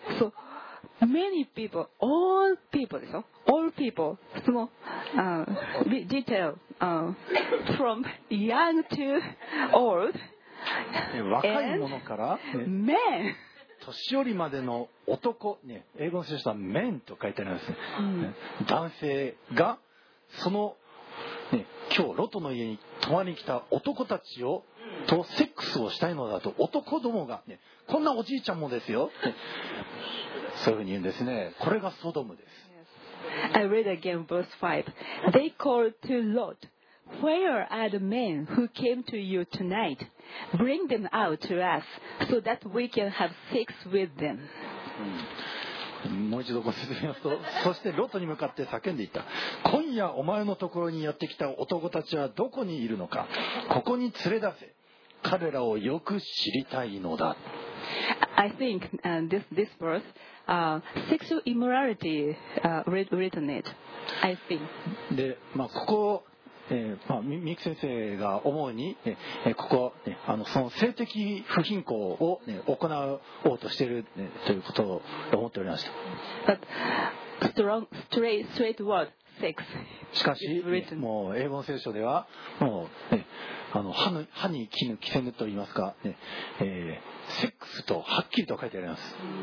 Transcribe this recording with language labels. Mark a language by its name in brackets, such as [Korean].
[English] So many people, all people, [Japanese] ですよ、 [English] all people, small detail from young to old, [Japanese] 若い者から、 [English] ね、men. [Japanese] 年寄りまでの男、ね、英語の聖書は men と書いてあります、男性がその、ね、今日ロトの家に泊まりに来た男たちをとセックスをしたいのだと、男どもが、ね、こんなおじいちゃんもですよ、ね、そういうふうに言うんですね。これがソドムです。 [English] I read again verse 5. They called to Lot, Where are the men who came to you tonight? Bring them out to us so that we can have sex with them. [Japanese] もう一度ご説明すると、そしてロトに向かって叫んでいった。今夜お前のところにやってきた男たちはどこにいるのか。ここに連れ出せ。彼らをよく知りたいのだ。 [English] I think this verse, sexual immorality, written it. I think. [Japanese] で、まあここ。三木先生が思うに、ここ、その性的不均衡を、行おうとしている、ということを思っておりました。 [English] But strong, straight word, sex. [Japanese] しかし、もう英語の聖書では、もう、歯に衣着せぬといいますか、セックスとはっきりと書いてあります。